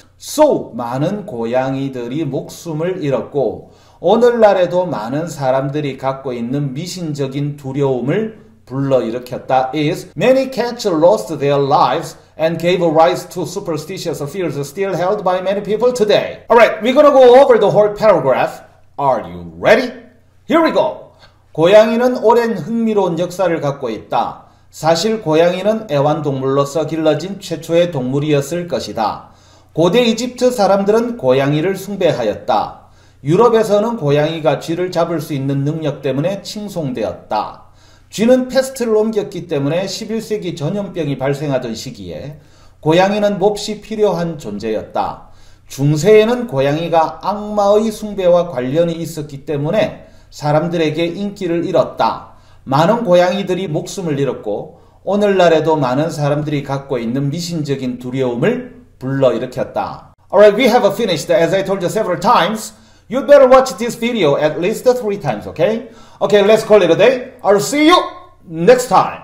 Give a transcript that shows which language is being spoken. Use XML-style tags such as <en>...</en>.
<en>So</en> <ko>많은 고양이들이 목숨을 잃었고 오늘날에도 많은 사람들이 갖고 있는 미신적인 두려움을 불러일으켰다</ko> <en>is many cats lost their lives and gave rise to superstitious fears still held by many people today. Alright, we're gonna go over the whole paragraph. Are you ready? Here we go.</en> <ko>고양이는 오랜 흥미로운 역사를 갖고 있다. 사실 고양이는 애완동물로서 길러진 최초의 동물이었을 것이다. 고대 이집트 사람들은 고양이를 숭배하였다. 유럽에서는 고양이가 쥐를 잡을 수 있는 능력 때문에 칭송되었다. 쥐는 패스트를 옮겼기 때문에 11세기 전염병이 발생하던 시기에 고양이는 몹시 필요한 존재였다. 중세에는 고양이가 악마의 숭배와 관련이 있었기 때문에 사람들에게 인기를 잃었다. 많은 고양이들이 목숨을 잃었고, 오늘날에도 많은 사람들이 갖고 있는 미신적인 두려움을 불러일으켰다.</ko> <en>Alright, we have finished. As I told you several times, you better watch this video at least three times, okay? Okay, let's call it a day. I'll see you next time.</en>